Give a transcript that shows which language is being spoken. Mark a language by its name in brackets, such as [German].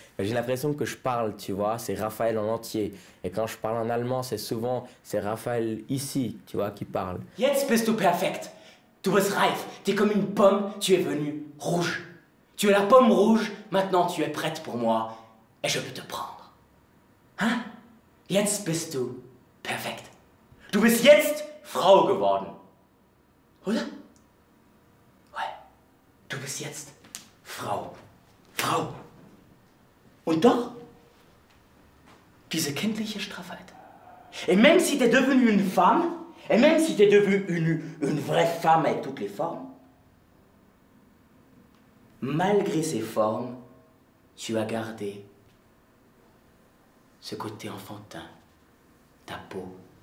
[French] J'ai l'impression que je parle, tu vois, c'est Raphaël en entier. Et quand je parle en allemand, c'est souvent, c'est Raphaël ici, tu vois, qui parle. [German] Jetzt bist du perfekt. Du bist reif. [French] T'es comme une pomme, tu es venue rouge. Tu es la pomme rouge, maintenant tu es prête pour moi et je peux te prendre. [German] Hein? Jetzt bist du perfekt. Du bist jetzt Frau geworden. Oder? Ouais. Du bist jetzt Frau. Frau. Und doch, diese kindliche Straffheit. [French] Et même si t'es devenue une femme, et même si t'es devenue une vraie femme avec toutes les formes, malgré ces formes, tu as gardé ce côté enfantin, ta peau.